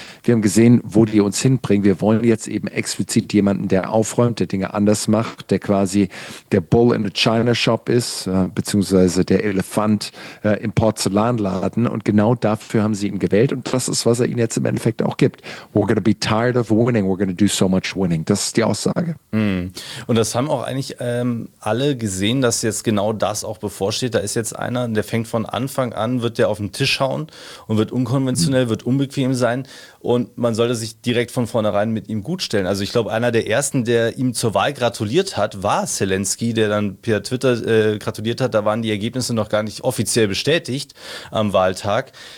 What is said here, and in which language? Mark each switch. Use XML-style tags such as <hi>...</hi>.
<de>Wir haben gesehen, wo die uns hinbringen. Wir wollen jetzt eben explizit jemanden, der aufräumt, der Dinge anders macht, der quasi der</de> <en>Bull in the China Shop</en> <de>ist, beziehungsweise der Elefant im Porzellanladen. Und genau dafür haben sie ihn gewählt. Und das ist, was er ihnen jetzt im Endeffekt auch gibt.</de> <en>We're gonna be tired of winning. We're gonna do so much winning.</en> <de>Das ist die Aussage. Mm. Und das haben auch eigentlich alle gesehen, dass jetzt genau das auch bevorsteht. Da ist jetzt einer, der fängt von Anfang an, wird der auf den Tisch hauen und wird unkonventionell, wird unbequem sein. Und man sollte sich direkt von vornherein mit ihm gutstellen. Also ich glaube, einer der ersten, der ihm zur Wahl gratuliert hat, war Zelensky, der dann per Twitter gratuliert hat. Da waren die Ergebnisse noch gar nicht offiziell bestätigt am Wahltag.</de>